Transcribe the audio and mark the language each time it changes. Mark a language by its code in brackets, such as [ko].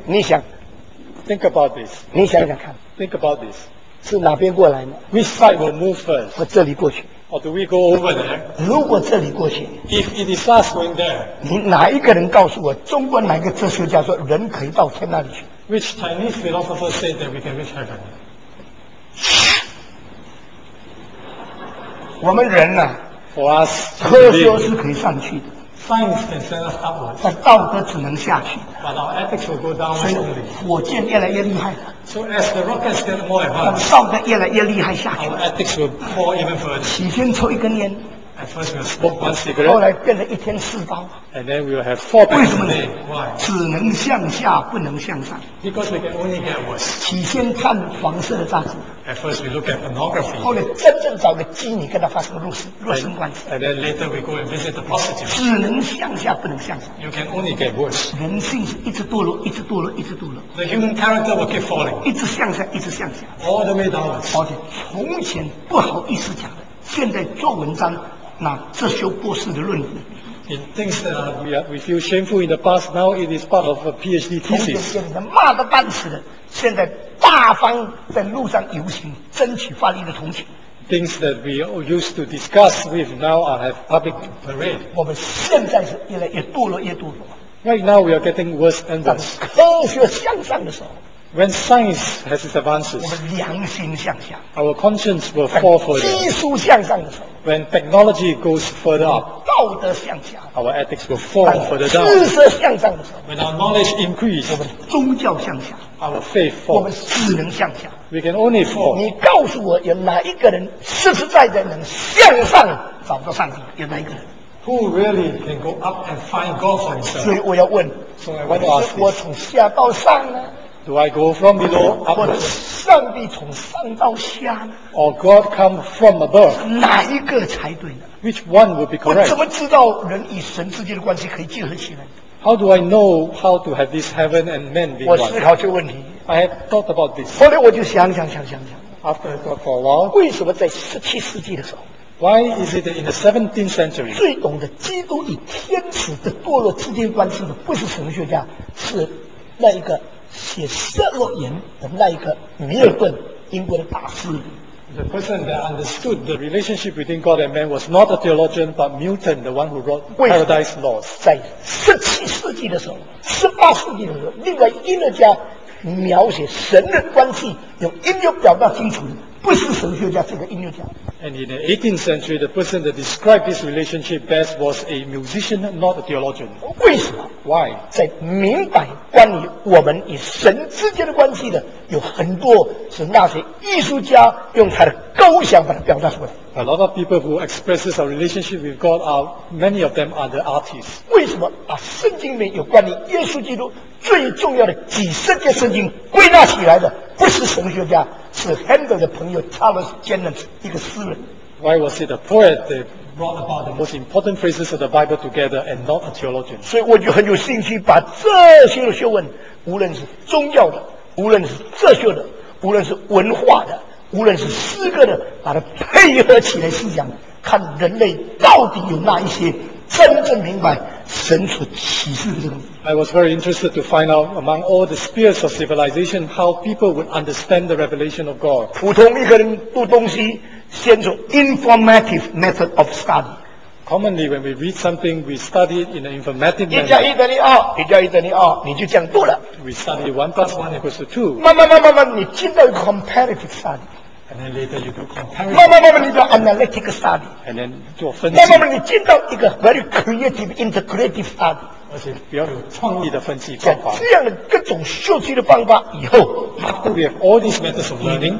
[zh] 你想 [en] Think about this [zh] 你想想看 [en] Think about this [zh] 是哪边过来呢 [en] Which side will move first? [zh] 或这里过去 [en] Or do we go over there? [zh] 如果这里过去 [en] If it is us going there [zh] 你哪一个人告诉我中国哪个哲学家说人可以到天那里去 [en] Which Chinese philosopher said that we can reach heaven? [zh] 我们人呢、啊、 [en] For us, [zh] 科学是可以上去的。 [en] Science can send us upwards. [zh] 但道德只能下去。 [en] But our ethics will go downwards only. [zh] 所以火箭越来越厉害了。 [en] So as the rockets get more advanced, [zh] 道德越来越厉害下去。 [en] Our ethics will fall even further. [zh] 起先抽一根烟。 [en] At first we'll smoke one cigarette. [zh] 后来变成一天四包。 [en] And then we'll have four packs a day. [zh] Why? 只能向下，不能向上。 [en] Because we can only get worse. [zh] 起先看黄色的杂志。 [en] At first we look at pornography. [zh] 后来真正找个妓女跟他发生肉身关系。 [en] And then later we go and visit the prostitute. [zh] 只能向下，不能向上。 [en] You can only get worse. [zh] 人性是一直堕落，一直堕落，一直堕落。 [en] The human character will keep falling. [zh] 一直向下，一直向下。 [en] All the way downwards. [zh] 而且从前不好意思讲的，现在做文章。那这修博士的论文 [en] ，In things that we feel shameful in the past, now it is part of a PhD thesis. [zh] 现在骂得半死的，现在大方在路上游行，争取法律的同情。 [en] Things that we used to discuss with now are have public parade. [zh] 我们现在是越来越堕落，越堕落。 [en] Right now we are getting worse and worse. [zh] 当科学向上的时候。 [en] When science has its advances, [zh] 我们良心向下 [en] our conscience will fall further. [zh] 技术向上的时候 [en] When technology goes further up, [zh] 道德向下 [en] our ethics will fall further down. [zh] 知识向上的时候 [en] When our knowledge increases, [zh] 我们宗教向下 [en] our faith falls. [zh] 我们智能向下 [en] We can only fall. [zh] 你告诉我有哪一个人实实在在能向上找到上帝？有哪一个人？ [en] Who really can go up and find God for himself? [zh] 所以我要问 [en] So I want to ask this. [zh] 我从下到上呢？ [en] Do I go from below upwards? [zh] 或者上帝从上到下呢 [en] ？Or God come from above? [zh] 哪一个才对呢 [en] ？Which one would be correct? [zh] 我怎么知道人与神之间的关系可以结合起来 [en] ？How do I know how to have this heaven and man be one? [zh] 我思考这个问题。 [en] I have thought about this. [zh] 后来我就想。 [en] After I thought for a while. [zh] 为什么在十七世纪的时候 [en] ？Why is it in the 17th century? [zh] 最懂得基督与天使的堕落之间关系的不是神学家，是那一个。写《十二言》的那一个米尔顿，英国的大诗人。 [en] The person that understood the relationship between God and man was not a theologian, but Milton, the one who wrote Paradise Lost. [zh] 在17世纪的时候，18世纪的时候，另外音乐家描写神人关系用音乐表达清楚，不是神学家，这个音乐家。 [en] And in the 18th century, the person that described this relationship best was a musician, not a theologian. [zh] 为什么 [en] ？Why？ [zh] 在明白关于我们与神之间的关系的，有很多是那些艺术家用他的构想把它表达出来。 [en] A lot of people who expresses our relationship with God are many of them are the artists. [zh] 为什么把圣经里面有关于耶稣基督最重要的几十节圣经归纳起来的，不是神学家，是 Handel 的朋友 Charles Jennens 一个诗人。 [en] Why was it a poet that brought about the most important phrases of the Bible together and not a theologian? [zh] 所以我就很有兴趣把这些的学问，无论是宗教的，无论是哲学的，无论是文化的，无论是诗歌的，把它配合起来思想，看人类到底有哪一些真正明白神所启示的东西。 [en] I was very interested to find out among all the spheres of civilization how people would understand the revelation of God. [zh] 普通一个人读东西，先从 [en] informative method of study. Commonly, when we read something, we study it in an informative manner. [zh] 一加一等于二，一加一等于二，你就这样读了。 [en] We study 1+1=2. [zh] 慢慢，你进到一个 [en] comparative study. And then later you do comparative. [zh] 慢慢，你做 [en] analytic study. And then [zh] 做分析。慢慢，你进到一个 [en] very creative integrative study. [zh] 而且比较有创意的分析方法，这样的各种学习的方法以后 [en] ，after we have all these methods of learning，